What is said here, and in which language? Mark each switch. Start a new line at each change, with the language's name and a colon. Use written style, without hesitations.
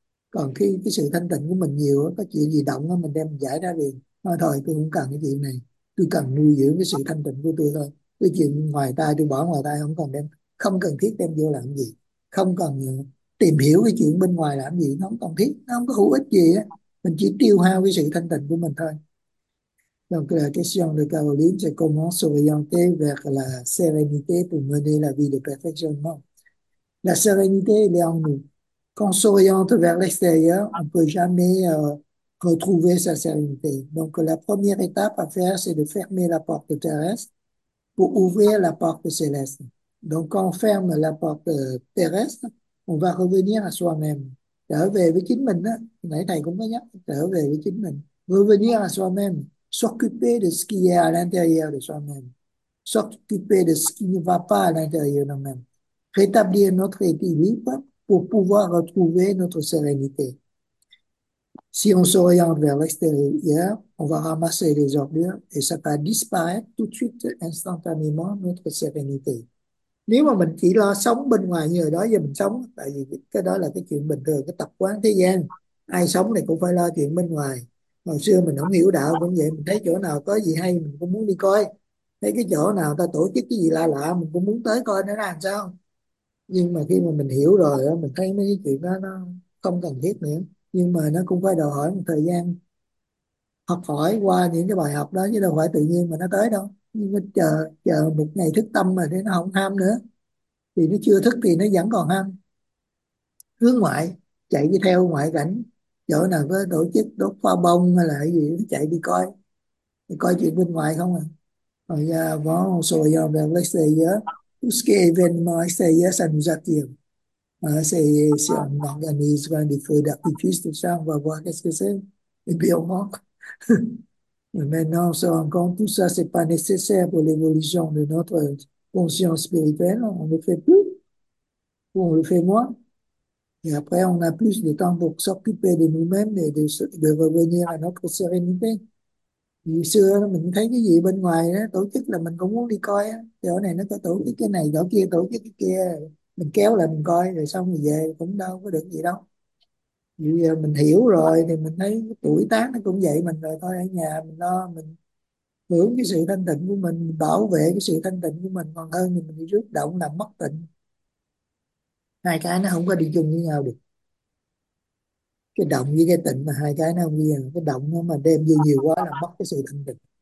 Vietnamese: Còn khi cái sự thanh tịnh của mình nhiều, có chuyện gì động mình đem giải ra liền, nói thôi tôi không cần cái chuyện này, tôi cần nuôi dưỡng cái sự thanh tịnh của tôi thôi, cái chuyện ngoài tai tôi bỏ ngoài tai, không còn đem, không cần thiết đem vô làm gì, không cần tìm hiểu cái chuyện bên ngoài làm gì, nó không cần thiết, nó không có hữu ích gì á, mình chỉ tiêu hao cái sự thanh tịnh của mình thôi.
French: Donc la question de Caroline, c'est comment s'orienter vers la sérénité pour mener la vie de perfectionnement. La sérénité, elle est en nous. Quand on s'oriente vers l'extérieur, on ne peut jamais retrouver sa sérénité. Donc la première étape à faire, c'est de fermer la porte terrestre pour ouvrir la porte céleste. Donc quand on ferme la porte terrestre, on va revenir à soi-même.
Vietnamese: Trở về với chính mình, đó. Nãy thầy cũng có nhắc, trở về với chính mình.
French: Revenir à soi-même. S'occuper de ce qui est à l'intérieur de soi-même. S'occuper de ce qui ne va pas à l'intérieur de nous-mêmes. Rétablir notre équilibre pour pouvoir retrouver notre sérénité. Si on s'oriente vers l'extérieur, on va ramasser les ordures et ça va disparaître tout de suite, instantanément, notre sérénité.
Vietnamese: Nếu mà mình chỉ lo sống bên ngoài người đó giờ mình sống, tại vì cái đó là cái chuyện bình thường, cái tập quán thế gian, ai sống thì cũng phải lo chuyện bên ngoài. Hồi xưa mình không hiểu đạo cũng vậy, mình thấy chỗ nào có gì hay mình cũng muốn đi coi, thấy cái chỗ nào ta tổ chức cái gì lạ lạ mình cũng muốn tới coi nó ra làm sao. Nhưng mà khi mà mình hiểu rồi mình thấy mấy cái chuyện đó nó không cần thiết nữa, nhưng mà nó cũng phải đòi hỏi một thời gian học hỏi qua những cái bài học đó, chứ đâu phải tự nhiên mà nó tới đâu. Nhưng mà chờ chờ một ngày thức tâm mà thì nó không ham nữa, thì nó chưa thức thì nó vẫn còn ham hướng ngoại, chạy đi theo ngoại cảnh, chỗ nào có tổ chức đốt pháo bông hay là cái gì nó chạy đi coi, thì coi chuyện bên ngoài không à. Rồi võ sồi dòm đẹp lấy xì giữa Uske ven mai xì giữa sành giật tiền mà xì xì ông ngọc gần đi phơi đặt đi phí từ sáng và qua cái xì xì bị ông hót.
French: Maintenant, on se rend compte que tout ça, ce n'est pas nécessaire pour l'évolution de notre conscience spirituelle. On ne le fait plus, on le fait moins. Et après, on a plus de temps pour s'occuper de nous-mêmes et de revenir à notre sérénité.
Vietnamese: Vì xưa mình thấy cái gì bên ngoài đó, tổ chức là mình cũng muốn đi coi á, chỗ này nó có tổ chức cái này, chỗ kia tổ chức cái kia, mình kéo lại mình coi rồi xong rồi về cũng đâu có được gì đâu. Bây giờ mình hiểu rồi thì mình thấy tuổi tác nó cũng vậy mình rồi, thôi ở nhà mình lo mình hưởng cái sự thanh tịnh của mình, bảo vệ cái sự thanh tịnh của mình còn hơn thì mình đi rước động làm mất tịnh, hai cái nó không có đi chung với nhau được, cái động với cái tịnh mà hai cái nó không đi, cái động nó mà đem vô nhiều quá là mất cái sự thanh tịnh.